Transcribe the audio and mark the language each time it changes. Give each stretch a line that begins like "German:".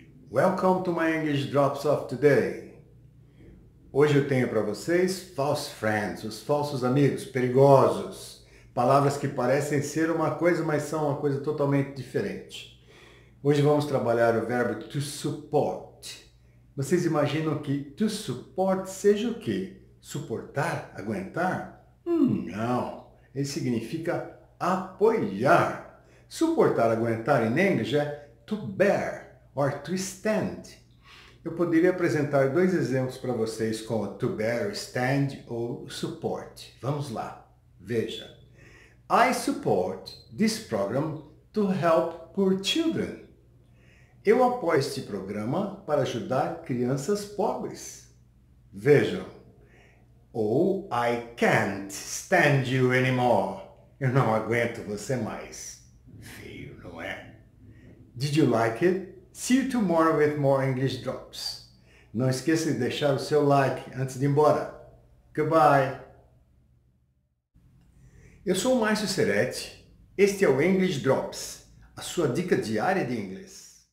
English: Welcome to my English Drops of Today.
Portuguese: Hoje eu tenho para vocês false friends, os falsos amigos, perigosos. Palavras que parecem ser uma coisa, mas são uma coisa totalmente diferente. Hoje vamos trabalhar o verbo to support. Vocês imaginam que to support seja o quê? Suportar? Aguentar? Não. Ele significa apoiar. Suportar, aguentar em inglês é to bear.
English: Or to stand.
Portuguese: Eu poderia apresentar dois exemplos para vocês com to bear, stand ou support. Vamos lá. Veja.
English: I support this program to help poor children.
Portuguese: Eu apoio este programa para ajudar crianças pobres. Vejam.
English: Ou I can't stand you anymore.
Portuguese: Eu não aguento você mais. Feio, não é?
English: Did you like it? See you tomorrow with more English drops.
Portuguese: Não esqueça de deixar o seu like antes de ir embora.
English: Goodbye.
Portuguese: Eu sou o Márcio Ceretti. Este é o English Drops, a sua dica diária de inglês.